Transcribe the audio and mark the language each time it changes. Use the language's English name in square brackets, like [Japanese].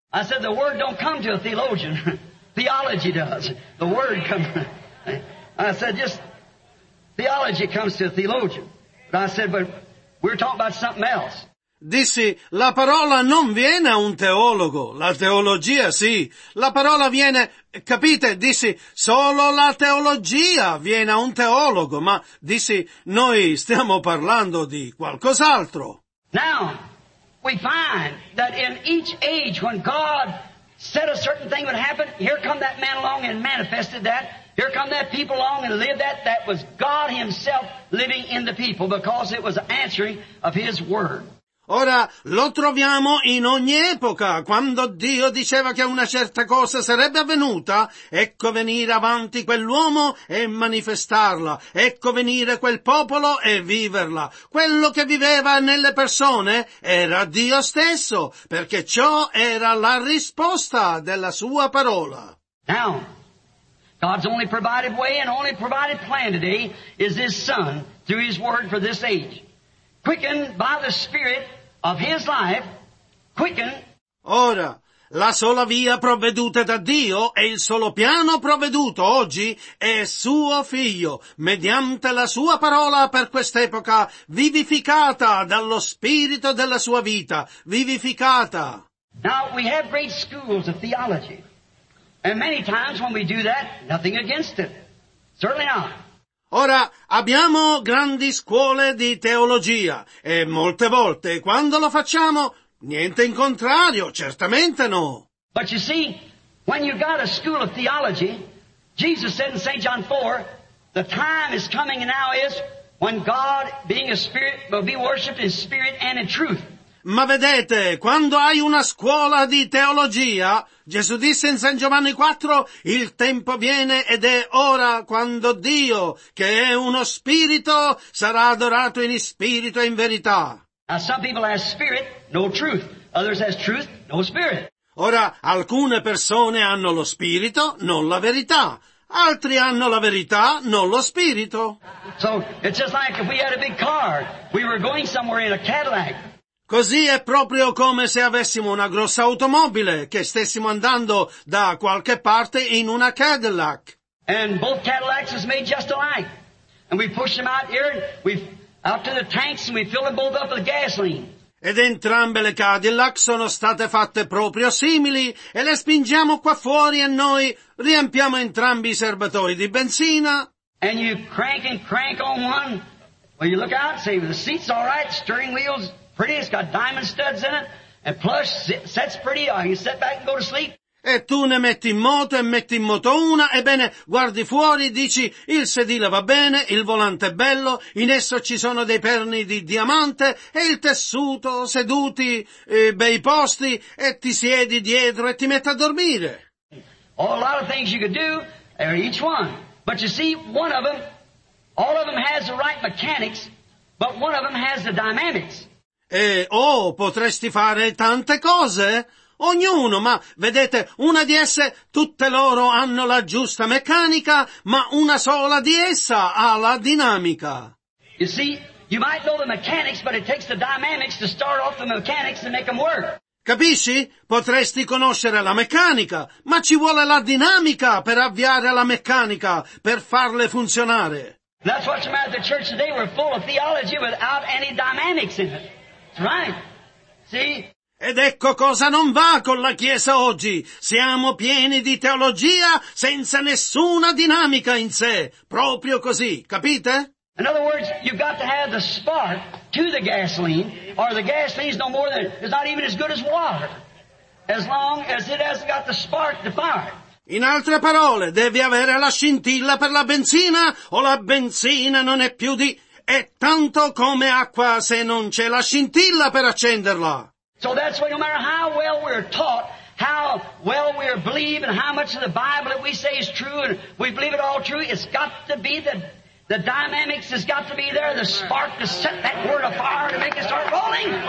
[English] I said, "The word don't come to a theologian. Theology does. The word comes." I said, "Just theology comes to a theologian." But I said, "But we're talking about something else." [Italian] Dissi, la parola non viene a un teologo, la teologia sì, la parola viene, capite, dissi, solo la teologia viene a un teologo, ma dissi, noi stiamo parlando di qualcos'altro. [English] Now, we find that in each age when God said a certain thing would happen, here come that man along and manifested that, here come that people along and lived that, that was God himself living in the people because it was an answering of his word. [Italian] Ora, lo troviamo in ogni epoca, quando Dio diceva che una certa cosa sarebbe avvenuta, ecco venire avanti quell'uomo e manifestarla, ecco venire quel popolo e viverla. Quello che viveva nelle persone era Dio stesso, perché ciò era la risposta della sua parola. [English] Now, God's only provided way and only provided plan today is His Son through His Word for this age. Quickened by the Spirit of His life, quickened. [Italian] Ora, la sola via provveduta da Dio e il solo piano provveduto oggi è Suo Figlio, mediante la Sua parola per quest'epoca, vivificata dallo Spirito della Sua vita, vivificata. [English] Now, we have great schools of theology. And many times when we do that, nothing against it. Certainly not. [Italian] Ora, abbiamo grandi scuole di teologia, e molte volte, quando lo facciamo, niente in contrario, certamente no. [English] But you see, when you've got a school of theology, Jesus said in St. John 4, the time is coming now is when God, being a spirit, will be worshipped in spirit and in truth. [Italian] Ma vedete, quando hai una scuola di teologia, Gesù disse in San Giovanni 4, il tempo viene ed è ora quando Dio, che è uno spirito, sarà adorato in spirito e in verità. [English] Now, some people have spirit, no truth. Others have truth, no spirit. [Italian] Ora, alcune persone hanno lo spirito, non la verità. Altri hanno la verità, non lo spirito. [English] So, it's just like if we had a big car, we were going somewhere in a Cadillac. [Italian] Così è proprio come se avessimo una grossa automobile che stessimo andando da qualche parte in una Cadillac. [English] And both Cadillacs is made just alike. And we push them out here, we out to the tanks and we fill them both up with gasoline. [Italian] Ed entrambe le Cadillac sono state fatte proprio simili e le spingiamo qua fuori e noi riempiamo entrambi i serbatoi di benzina. [English] And you crank and crank on one. Well, you look out, say the seat's all right, steering wheels. Pretty, it's got diamond studs in it, and plush, sets pretty, you sit back and go to sleep. [Italian] E tu ne metti in moto e metti in moto una, ebbene, guardi fuori, dici, il sedile va bene, il volante è bello, in esso ci sono dei perni di diamante, e il tessuto, seduti, bei posti, e ti siedi dietro e ti metti a dormire. [English] Oh, a lot of things you could do, each one. But you see, one of them, all of them has the right mechanics, but one of them has the dynamics. [Italian] E, oh, potresti fare tante cose, ognuno, ma vedete, una di esse, tutte loro hanno la giusta meccanica, ma una sola di essa ha la dinamica. [English] You see, you might know the mechanics, but it takes the dynamics to start off the mechanics and make them work. [Italian] Capisci? Potresti conoscere la meccanica, ma ci vuole la dinamica per avviare la meccanica, per farle funzionare. [English] That's what's the matter of the church today, we're full of theology without any dynamics in it. Right. See? [Italian] Ed ecco cosa non va con la Chiesa oggi. Siamo pieni di teologia senza nessuna dinamica in sé. Proprio così, capite? [English] In other words, you've got to have the spark to the gasoline, or the gasoline is no more than, is not even as good as water, as long as it hasn't got the spark to fire. [Italian] In altre parole, devi avere la scintilla per la benzina, o la benzina non è più di... È tanto come acqua se non c'è la scintilla per accenderla. [English] So that's why no matter how well we're taught, how well we believe, and how much of the Bible that we say is true, and we believe it all true, it's got to be the dynamics has got to be there, the spark to set that word afire to make it start rolling.